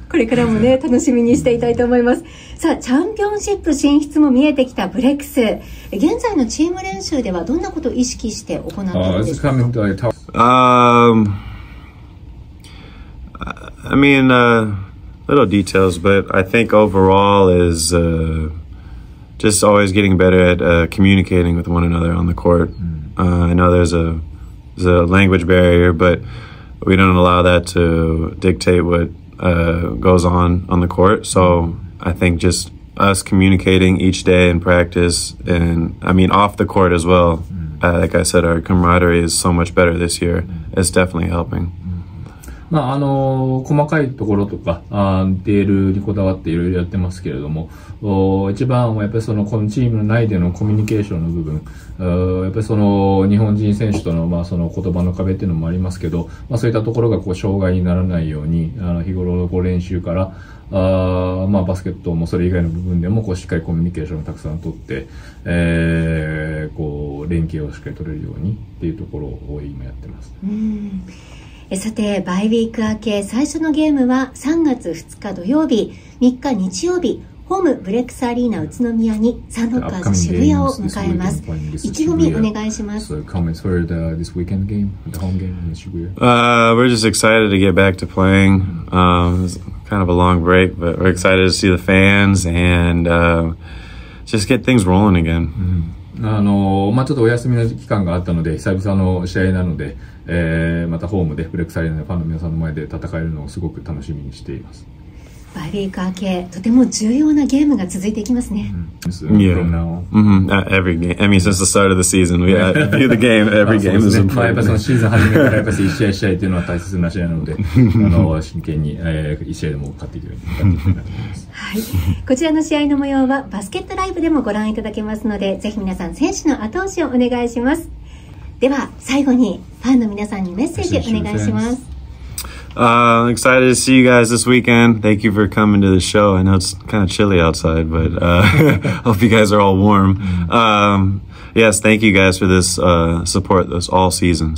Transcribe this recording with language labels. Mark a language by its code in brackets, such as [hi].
[ja] これからもね、楽しみにしていたいと思います。さあ、チャンピオンシップ進出も見えてきたブレックス、現在のチーム練習ではどんなことを意識して行っているんですか。 [en] Little details, but I think overall is just always getting better at communicating with one another on the court. I know there's a language barrier, but we don't allow that to dictate what goes on the court. So I think just us communicating each day in practice, and I mean off the court as well. Like I said, our camaraderie is so much better this year. It's definitely helping. [ja] まあ、細かいところとか、デールにこだわっていろいろやってますけれども、一番はやっぱりその、このチーム内でのコミュニケーションの部分、やっぱりその、日本人選手との、まあ、その言葉の壁っていうのもありますけど、まあ、そういったところが、こう、障害にならないように、日頃のこう練習から、まあ、バスケットもそれ以外の部分でも、こう、しっかりコミュニケーションをたくさん取って、こう、連携をしっかり取れるようにっていうところを今やってます。さてバイウィーク明け最初のゲームは3月2日土曜日3日日曜日ホームブレックスアリーナ宇都宮にサンロッカーズ渋谷を迎えます。意気込みお願いします。 [en] So comments for the, this weekend game, the home game in Shibuya. We're just excited to get back to playing. It's kind of a long break, but we're excited to see the fans and just get things rolling again. [ja] まあ、ちょっとお休みの期間があったので久々の試合なのでまたホームでブレックスアリーナのファンの皆さんの前で戦えるのをすごく楽しみにしています。バイウィーク明けとても重要なゲームが続いていきますね。 [en] Every game. I mean, since the start of the season, we have the game. Every game is important. [ja] やっぱりそのシーズン始めからやっぱり1試合1試合というのは大切な試合なので真剣に1試合でも勝っていけるように頑張っていきます。はい、こちらの試合の模様はバスケットライブでもご覧いただけますのでぜひ皆さん選手の後押しをお願いします。では最後にファンの皆さんにメッセージお願いします。 [en] Excited to see you guys this weekend. Thank you for coming to the show. I know it's kind of chilly outside, but hope you guys are all warm. Yes, thank you guys for this support this all season.